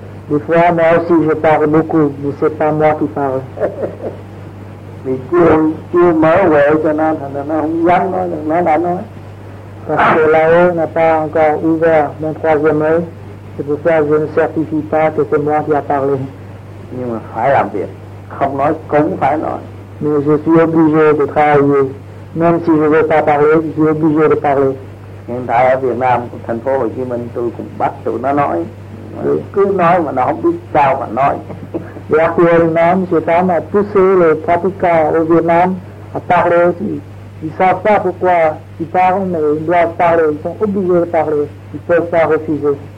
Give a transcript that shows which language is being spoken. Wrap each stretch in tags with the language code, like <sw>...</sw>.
<fr>Des fois, moi aussi je parle beaucoup, mais c'est pas moi qui parle.</fr> <vi>Mình chưa mở huệ cho nó, thành ra nó không dám nói được, nó đã nói.</vi> <fr>Parce que là-haut n'a pas encore ouvert mon troisième œil, c'est pour ça que je ne certifie pas que c'est moi qui a parlé.</fr> <vi>Nhưng mà phải làm việc, không nói cũng phải nói.</vi> <fr>Mais je suis obligé de travailler, même si je ne veux pas parler, je suis obligé de parler.</fr> <vi>Hiện tại ở Việt Nam, thành phố Hồ Chí Minh, tôi cũng bắt tụi nó nói. Cứ nói mà nó không biết sao mà nói.</vi> <fr>Et actuellement, je tente à pousser les pratiquants au Vietnam à parler aussi. Ils ne savent pas pourquoi ils parlent, mais ils doivent parler, ils sont obligés de parler, ils ne peuvent pas refuser.</fr>